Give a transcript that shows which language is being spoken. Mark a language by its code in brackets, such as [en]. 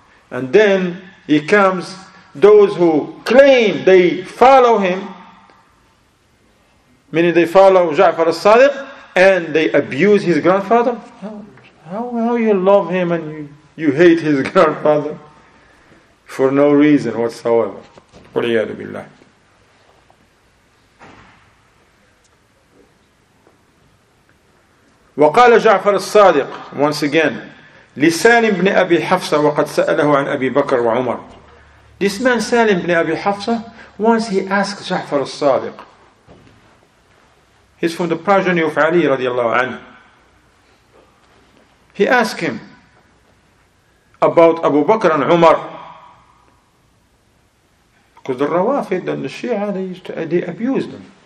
[en] And then he comes, those who claim they follow him, meaning they follow Ja'far al-Sadiq, and they abuse his grandfather. How you love him and you hate his grandfather? For no reason whatsoever. [ar] وَلِيَادُ بِاللَّهِ وقال جعفر الصادق [en] once again [ar] لسالم بن أبي حفصة وقد سأله عن أبي بكر وعمر. [en] This man سالم بن أبي حفصة once he asked جعفر الصادق. He's from the progeny of Ali رضي الله عنه. He asked him about Abu Bakr and Umar. Because the Rawafid and the Shia, they abused them.